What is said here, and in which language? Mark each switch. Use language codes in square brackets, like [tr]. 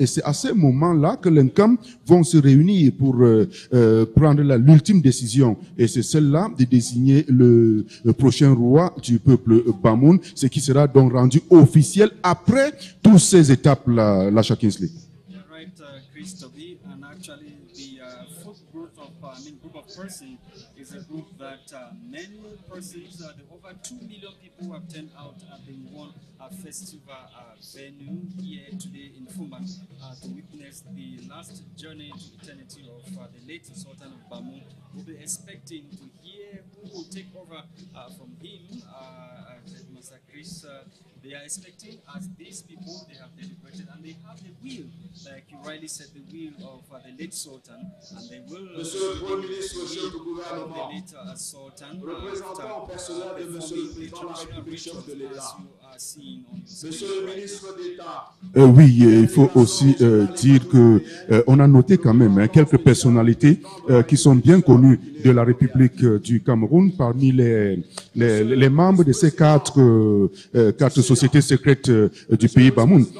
[fr] Et c'est à ce moment-là que l'Incom vont se réunir pour prendre l'ultime décision. Et c'est celle-là de désigner le prochain roi du peuple Bamoun, ce qui sera donc rendu officiel après toutes ces étapes, Lasha Kingsley. [en] Right, Chris Toby, and actually the group of persons is a group that many persons, the over 2 million people who have turned out at the one festival venue here today in Fumba to witness the last journey to eternity of the late Sultan of Bamoun. We'll be expecting to hear who will take over from him, Mr. Chris. They are expecting, as these people, they have deliberated and they have the will, like you rightly said, the will of the late Sultan, and they will. [fr] Monsieur le Premier ministre, chef du gouvernement, représentant personnel de Monsieur le Président de la République, chef de l'État. Monsieur le ministre d'État. Oui, il faut aussi dire que on a noté quand même quelques personnalités qui sont bien connues de la République du Cameroun parmi les membres de ces quatre sociétés secrètes du pays Bamoun.